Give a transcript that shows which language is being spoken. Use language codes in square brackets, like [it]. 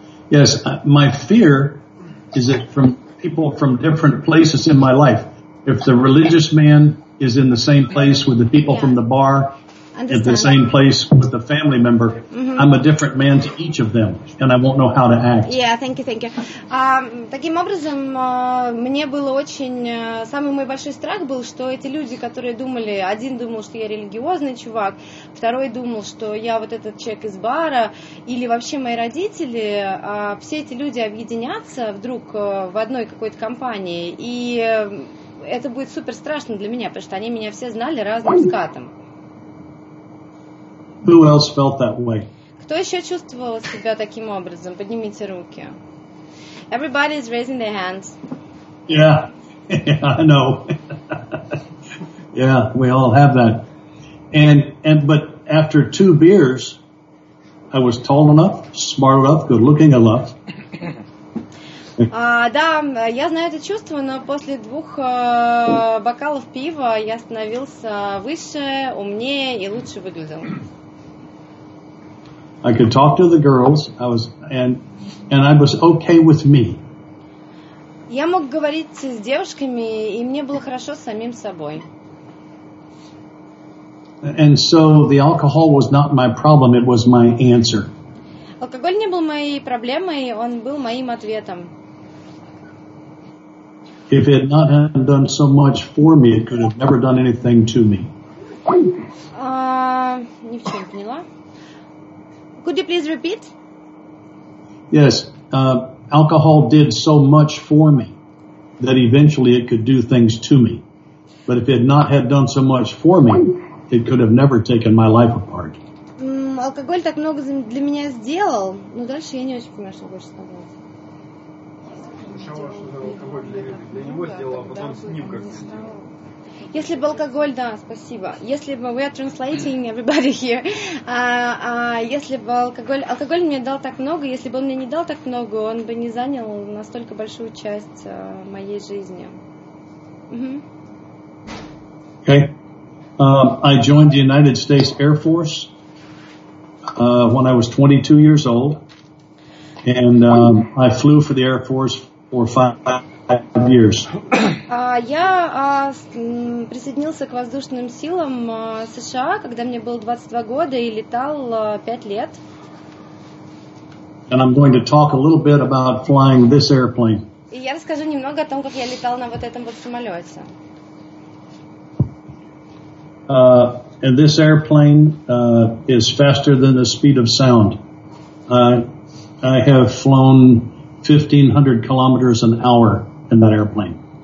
[en] Yes, my fear is that from people from different places in my life. If the religious man is in the same place with the people from the bar, at the same place with the family member, Mm-hmm. I'm a different man to each of them, and I won't know how to act. Yeah, thank you, thank you. [ru] Таким образом, мне было очень... Самый мой большой страх был, что эти люди, которые думали... Один думал, что я религиозный чувак, второй думал, что я вот этот человек из бара, или вообще мои родители, все эти люди объединятся вдруг в одной какой-то компании, и это будет супер страшно для меня, потому что они меня все знали разным скатом. [en] Who else felt that way? [ru] Кто еще чувствовал себя таким образом? Поднимите руки. [en] Everybody is raising their hands. Yeah, I know. Yeah, we all have that. And but after two beers, I was tall enough, smart enough, good looking enough. [ru] Да, я знаю это чувство, но после двух бокалов пива я становился выше, умнее и лучше выглядел. [en] I could talk to the girls. I was okay with me. [ru] Я мог говорить с девушками, и мне было хорошо с самим собой. [en] And so the alcohol was not my problem, it was my answer. [ru] Алкоголь не был моей проблемой, он был моим ответом. [en] If it had not done so much for me, it could have never done anything to me. [ru] Ни в чём не поняла. [en] Could you please repeat? Yes, alcohol did so much for me that eventually it could do things to me. But if it had not had done so much for me, it could have never taken my life apart. [ru] Алкоголь так много для меня сделал, но дальше я не очень понимаю, что хочешь сказать. Если бы алкоголь, да, спасибо. Если бы [en] we are translating everybody here. [ru] Если бы алкоголь мне дал так много, если бы он мне не дал так много, он бы не занял настолько большую часть моей жизни. [en] Okay. I joined the United States Air Force when I was 22 years old, and I flew for the Air Force. Or 5 years. [ru] Я присоединился к воздушным силам США, когда мне было 22 года, и летал 5 лет. [en] And I'm going to talk a little bit about flying this airplane. [ru] И я расскажу немного о том, как я летал на вот этом вот самолете. [en] And this airplane is faster than the speed of sound. I have flown 1500 kilometers an hour in that airplane.